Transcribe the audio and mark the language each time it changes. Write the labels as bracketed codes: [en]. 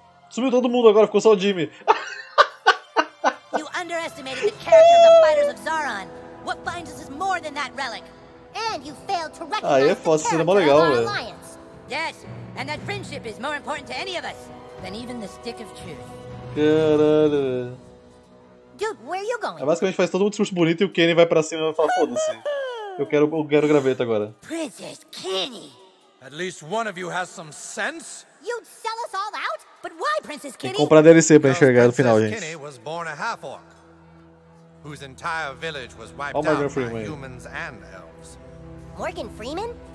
[pt] Sumiu todo mundo agora, ficou só o Jimmy. [en] You underestimated the character of the Fighters of Zaron. What binds us is more than that relic. And you failed to recognize the character of our alliance. Yes, and that friendship is more important to any of us than even the stick of truth. [pt] Caralho. [en] Dude, where are you going? [pt] É, basicamente faz todo um discurso bonito e o Kenny vai pra cima e fala, foda-se. Eu quero graveta agora. [en] Princess Kenny! At least one of you has some sense? You'd sell us all out? But why, Princess Kenny? [pt] Tem que comprar DLC pra enxergar no final, gente. [en] Kenny was born a half-orc, whose entire village was wiped out by humans and elves. Morgan Freeman?